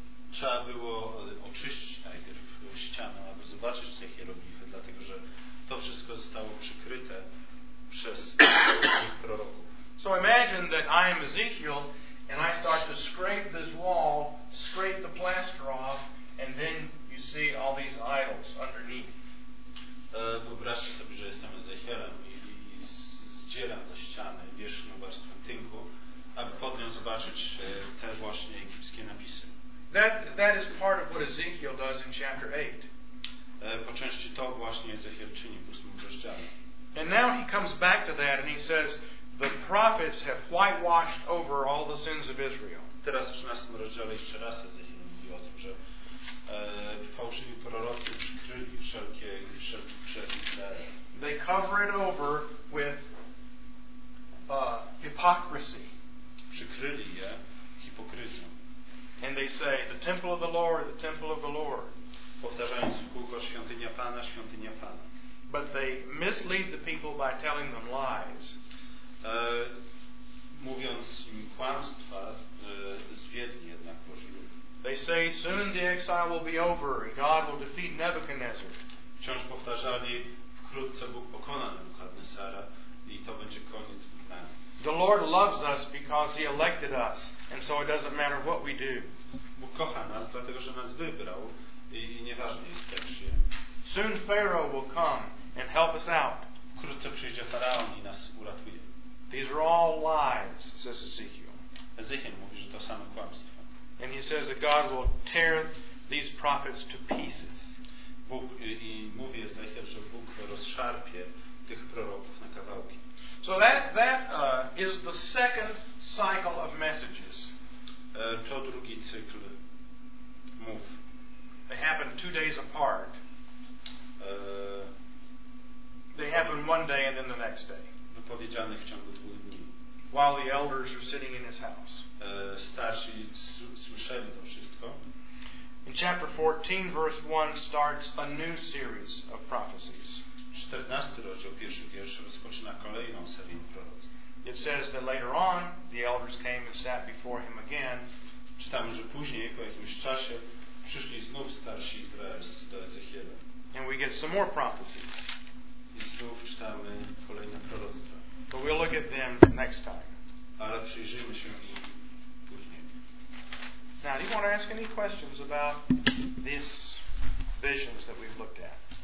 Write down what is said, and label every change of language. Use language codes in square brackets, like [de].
[pl] Trzeba było oczyścić najpierw ścianę, aby zobaczyć te hieroglify, dlatego że to wszystko zostało przykryte przez proroków. [en] So imagine that I am Ezekiel and I start to scrape this wall, scrape the plaster off, and then you see all these idols underneath. [pl] Wyobraźcie sobie, że jestem Ezechielem i zdzielam ze ściany wierzchnią warstwę tynku, aby pod nią zobaczyć te właśnie egipskie napisy. [en] That is part of what Ezekiel does in chapter 8. [pl] Po części to właśnie Ezechiel czyni w 8 rozdziale. [en] And now he comes back to that and he says, the prophets have whitewashed over all the sins of Israel. [pl] Teraz w 13 rozdziale jeszcze raz Ezechiel mówi o tym, że fałszywi prorocy przykryli wszelkie grzechy Izraela. [en] They cover it over with hypocrisy. [pl] Przykryli je hipokryzją. [en] And they say, the temple of the Lord, the temple of the Lord. [pl] Powtarzając w kółko, świątynia Pana, świątynia Pana. [en] But they mislead the people by telling them lies. [pl] Mówiąc im kłamstwa, zwiedli jednak Boży lud. [en] They say, soon the exile will be over, and God will defeat Nebuchadnezzar. [pl] Wciąż powtarzali, wkrótce Bóg pokona Nebuchadnezzara i to będzie koniec wygnania. [en] The Lord loves us because He elected us, and so it doesn't matter what we do. [pl] Bóg kocha nas, dlatego że nas wybrał i nieważne jest jak się. [en] Soon Pharaoh will come and help us out. [pl] Wkrótce przyjdzie Faraon i nas uratuje. [en] These are all lies, says Ezekiel. [pl] Ezekiel mówi, że to same kłamstwa. [en] And he says that God will tear these prophets to pieces. [pl] Bóg, i mówi Ezekiel, że Bóg rozszarpie tych proroków na kawałki. [en] So that is the second cycle of messages. [pl] To drugi cykl mów. [en] They happen 2 days apart. They happen one day and then the next day. [pl] Wypowiedzianych w ciągu 2 dni. [en] While the elders are sitting in his house. [pl] Starsi słyszeli to wszystko. [en] In chapter 14, verse 1 starts a new series of prophecies. [pl] 14 rozdział, pierwszy wiersz, rozpoczyna kolejną serię proroctw. [en] It says that later on, the elders came and sat before him again. [pl] Czytamy, że później, po jakimś czasie, przyszli znów starsi Izraelscy do Ezechiela. [en] And we get some more prophecies. [pl] I znów czytamy kolejne proroctwa. [en] But we'll look at them next time. [pl] Ale przyjrzyjmy się później. [en] Now, do you want to ask any questions about these visions that we've looked at?